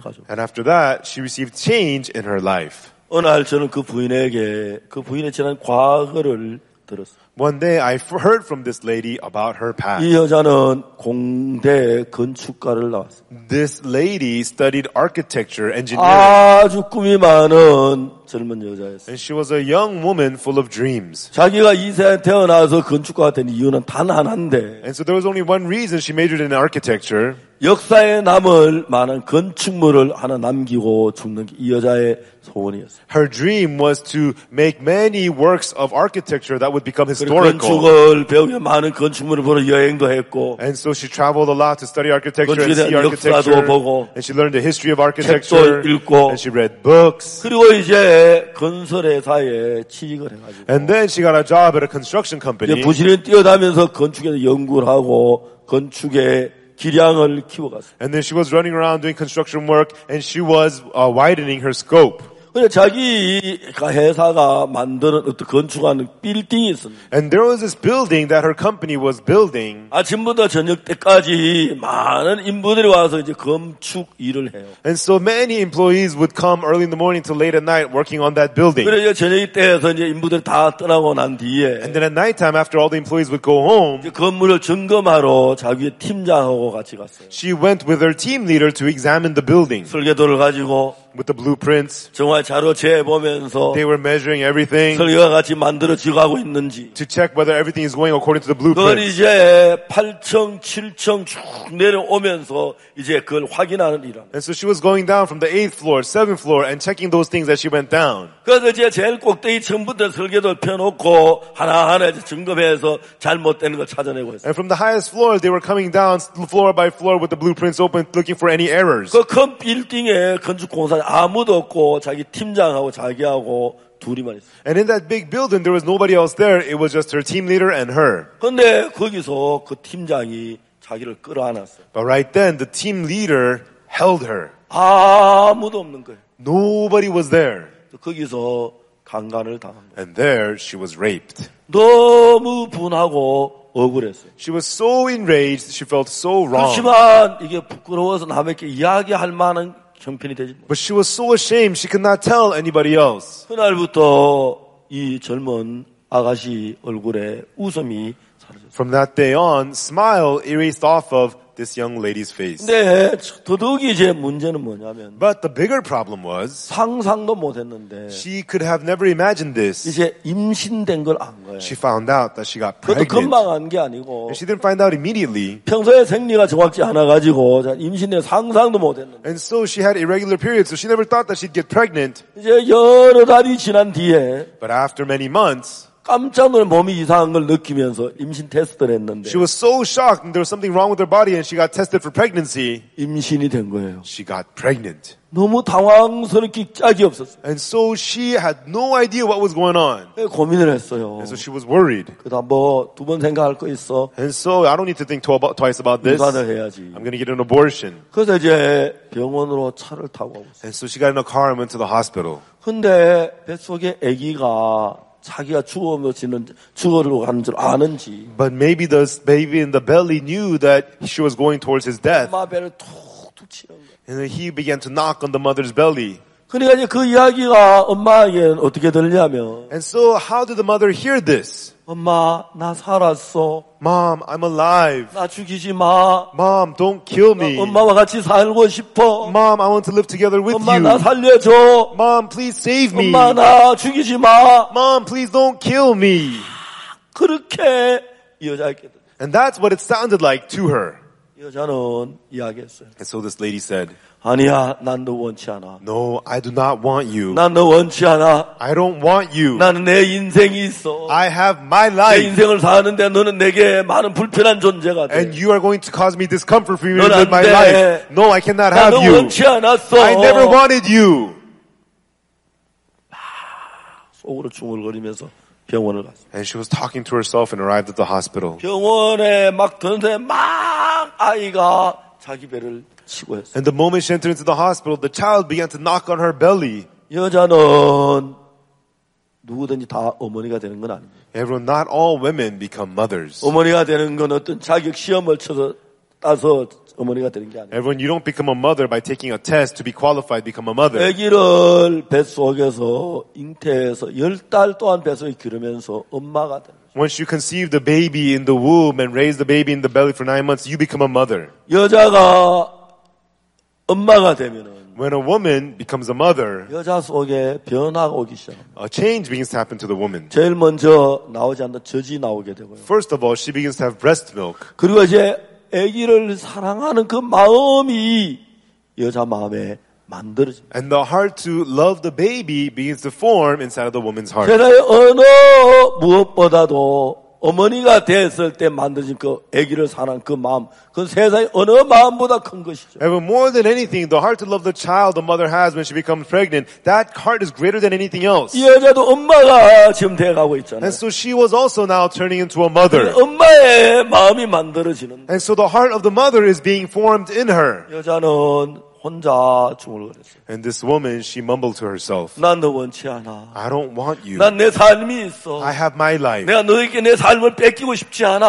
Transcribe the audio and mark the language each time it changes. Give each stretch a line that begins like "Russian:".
English: And after that, she received change in her life.
Korean: 어느 날 저는 그 부인에게 그 부인의 지난 과거를 들었어요.
English: One day I heard from this lady about her past.
Korean: 이 여자는 공대 건축가를 나왔어요.
English: This lady studied architecture, engineering.
Korean: 아주 꿈이 많은 젊은 여자였어요.
English: And she was a young woman full of dreams.
Korean: 자기가 이 세상에 태어나서 건축가가 된 이유는 단 하나인데.
English: And so there was only one reason she majored in architecture.
Korean: 역사에 남을 많은 건축물을 하나 남기고 죽는 게 이 여자의 소원이었어요.
English: Her dream was to make many works of architecture that would become historical.
Korean: 건축을 배우면 많은 건축물을 보러 여행도 했고
English: And so she traveled a lot to study architecture and see architecture.
Korean: 역사도 보고
English: And she learned the history of architecture.
Korean: 책도 읽고
English: And she read books.
Korean: 그리고 이제 건설 회사에 취직을 해 가지고
English: And then she got a job at a construction company.
Korean: 부지런히 뛰어다니면서 건축에 연구를 하고 건축에 기량을 키워갔어요.
English: And then she was running around doing construction work and she was widening her scope.
Korean: 근데 자기 회사가 만드는 어떤 건축하는 빌딩이 있었는데.
English: And there was this building that her company was building.
Korean: 아침부터 저녁 때까지 많은 인부들이 와서 이제 건축 일을 해요.
English: And so many employees would come early in the morning to late at night working on that building.
Korean: 그래서 저녁 때에서 이제 인부들 다 떠나고 난 뒤에.
English: And then at night time after all the employees would go home.
Korean: 이제 건물을 점검하러 자기의 팀장하고 같이 갔어요.
English: She went with her team leader to examine the building.
Korean: 설계도를 가지고.
English: With the blueprints.
Korean: 정말 자료 재보면서.
English: They were measuring everything.
Korean: 설계가 같이 만들어지고 하고 있는지.
English: To check whether everything is going according to the blueprints.
Korean: 그걸 이제 8층, 7층 쭉 내려오면서 이제 그걸 확인하는 일을.
English: And so she was going down from the 8th floor, 7th floor and checking those things as she went down.
Korean: 그래서 이제 제일 꼭대기 층부터 설계도를 펴놓고 하나하나 점검해서 잘못되는 걸 찾아내고 했어요.
English: And from the highest floor, they were coming down floor by floor with the blueprints open looking for any errors.
Korean: 그 큰 빌딩에 건축공사 아무도 없고 자기 팀장하고 자기하고 둘이만 있어요.
English: And in that big building there was nobody else there. It was just her team leader and her.
Korean: 근데 거기서 그 팀장이 자기를 끌어안았어요.
English: But right then the team leader held her.
Korean: 아무도 없는 거예요.
English: Nobody was there.
Korean: 거기서 강간을 당한 거예요.
English: And there she was raped.
Korean: 너무 분하고 억울했어요.
English: She was so enraged. She felt so wrong.
Korean: 그렇지만 이게 부끄러워서 남에게 이야기할 만한
English: But she was so ashamed she could not tell anybody else.
Korean: 그날부터 이 젊은 아가씨 얼굴에 웃음이 사라졌어요.
English: From that day on, smile erased off of this young lady's face.
Korean: 네, 더더욱이 이제 문제는 뭐냐면
English: But the bigger problem was
Korean: 상상도 못 했는데
English: She could have never imagined this.
Korean: 이제 임신된 걸 안 거예요.
English: She found out that she got pregnant.
Korean: 그것도 금방 안 게 아니고
English: And she didn't find out immediately.
Korean: 평소에 생리가 정확치 않아 가지고 임신된 상상도 못 했는데
English: And so she had irregular periods so she never thought that she'd get pregnant.
Korean: 이제 여러 달이 지난 뒤에
English: But after many months
Korean: 깜짝 놀라 몸이 이상한 걸 느끼면서 임신 테스트를 했는데
English: She was so shocked and there was something wrong with her body and she got tested for pregnancy.
Korean: 임신이 된 거예요.
English: She got pregnant.
Korean: 너무 당황스럽기 짝이 없었어요.
English: And so she had no idea what was going on.
Korean: 고민을 했어요.
English: And so she was worried.
Korean: 그다음 뭐 두 번 생각할 거 있어.
English: And so I don't need to think twice about this.
Korean: 임신을 해야지.
English: I'm going to get an abortion.
Korean: 그래서 이제 병원으로 차를 타고 왔어요.
English: And so she got in a car and went to the hospital.
Korean: 근데 뱃속에 아기가 자기가 죽어지는 죽어로 가는 줄 아는지.
English: But maybe the baby in the belly knew that she was going towards his death.
Korean: 엄마 배를 툭툭 치는 거.
English: And then he began to knock on the mother's belly.
Korean: 그러니까 이제 그 이야기가 엄마에게는 어떻게 들리냐면
English: And so how did the mother hear this?
Korean: 엄마, 나 살았어.
English: Mom, I'm alive.
Korean: 나 죽이지 마.
English: Mom, don't kill me.
Korean: 엄마와 같이 살고 싶어.
English: Mom, I want to live together with
Korean: 엄마,
English: you.
Korean: 엄마, 나 살려줘.
English: Mom, please save me.
Korean: 엄마, 나 죽이지 마.
English: Mom, please don't kill me.
Korean: 그렇게 여자에게도.
English: And that's what it sounded like to her.
Korean: 여자는 이야기했어요.
English: And so this lady said,
Korean: 아니야, 난 너 원치 않아.
English: No, I do not want you.
Korean: 난 너 원치 않아.
English: I don't want you.
Korean: 나는 내 인생이 있어.
English: I have my life.
Korean: 내 인생을 사는데 너는 내게 많은 불편한 존재가 돼.
English: And you are going to cause me discomfort for me in my life. No, I cannot have you.
Korean: 난 너 원치 않았어.
English: I never wanted you.
Korean: 속으로 중얼거리면서 병원을 갔어.
English: And she was talking to herself and arrived at the hospital.
Korean: 병원에 막 드는데 막 아이가 자기 배를
English: And the moment she entered into the hospital, the child began to knock on her belly.
Korean: 여자는 누구든지 다 어머니가 되는 건 아니에요.
English: Everyone, not all women become mothers.
Korean: 어머니가 되는 건 어떤 자격 시험을 쳐서 따서 어머니가 되는 게 아니에요.
English: Everyone, you don't become a mother by taking a test to be qualified to become a mother.
Korean: 아기를 뱃속에서 잉태해서 열 달 동안 뱃속에 기르면서 엄마가 돼.
English: Once you conceive the baby in the womb and raise the baby in the belly for 9 months, you become a mother.
Korean: 여자가 엄마가 되면은
English: When a woman becomes a mother,
Korean: 여자 속에 변화가 오기 시작합니다.
English: A change begins to happen to the woman.
Korean: 제일 먼저 나오지 않는 젖이 나오게 되고요.
English: First of all, she begins to have breast milk.
Korean: 그리고 이제 아기를 사랑하는 그 마음이 여자 마음에 만들어집니다.
English: And the heart to love the baby begins to form inside of the woman's heart.
Korean: 제자의 언어 무엇보다도 어머니가 됐을 때 만들어진 그 아기를 사랑 그 마음 그 세상의 어느 마음보다 큰 것이죠.
English: Even more than anything, the heart to love the child the mother has when she becomes pregnant, that heart is greater than anything else.
Korean: 이 여자도 엄마가 지금 돼가고 있잖아요.
English: And so she was also now turning into a mother.
Korean: 엄마의 마음이 만들어지는.
English: And so the heart of the mother is being formed in her.
Korean: 여자는 혼자 중얼거렸어요.
English: And this woman, she mumbled to herself.
Korean: 난 너 원치 않아.
English: I don't want you.
Korean: 난 내 삶이 있어.
English: I have my life.
Korean: 내가 너에게 내 삶을 뺏기고 싶지 않아.